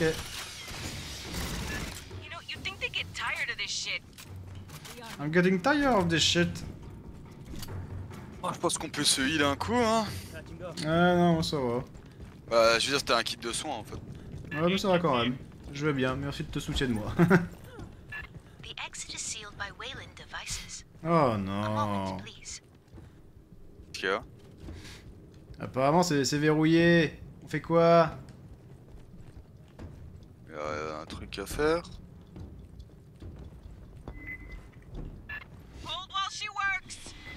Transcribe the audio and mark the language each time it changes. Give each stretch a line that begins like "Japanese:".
English: You know, you think they get tired of this shit. I'm getting tired of this shit.
French: Oh, je pense qu'on peut se heal un coup, hein. Ah non, ça va. Bah, je veux dire, c'était un kit de soins, en fait. Ouais, mais ça va quand même. Je vais bien, merci de te soutien de moi.
English: The exit is sealed by Wayland devices.
French: Oh non... Apparemment c'est verrouillé. On fait quoi? Il y a un truc à faire.
English: Hold while she works.